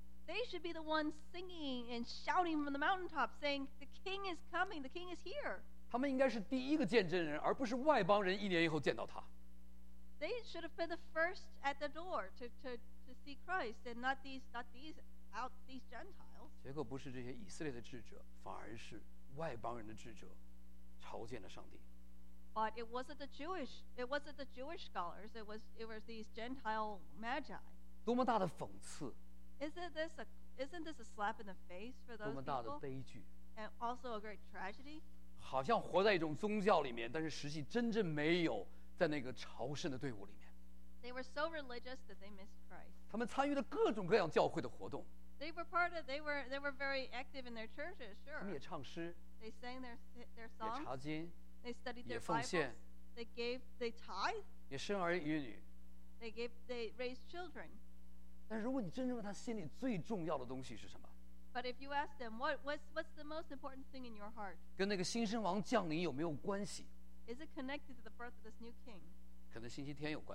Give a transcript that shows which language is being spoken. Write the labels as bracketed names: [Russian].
[English] They should be the ones singing and shouting from the mountaintop, saying, "The King is coming. The King is here." [Chinese] 他们应该是第一个见证人，而不是外邦人一年以后见到他。 [English] They should have been the first at the door to see Christ, and not these Gentiles. [Chinese] 结果不是这些以色列的智者，反而是外邦人的智者，朝见了上帝。 [English] But it wasn't the Jewish scholars. It was these Gentile magi. [Chinese] 多么大的讽刺！ [English] Isn't this a slap in the face for those people? [Chinese] 多么大的悲剧！ [English] And also a great tragedy. [Chinese] 好像活在一种宗教里面，但是实际真正没有。在那个朝圣的队伍里面， [English] they were so religious that they missed Christ. [Chinese] 他们参与了各种各样教会的活动， [English] they were part of, they were very active in their churches, sure. [Chinese] 他们也唱诗， [English] they sang their songs, [Chinese] 也查经， [English] they studied their [Chinese] 也奉献， [English] Bibles, they gave, they tithe, [Chinese] 也生儿育女， [English] they gave, they raised children. [Chinese] 但是如果你真正问他心里最重要的东西是什么， [English] but if you ask them what's the most important thing in your heart, [Chinese] 跟那个新生王降临有没有关系？ [English] Is it connected to the birth of this new king?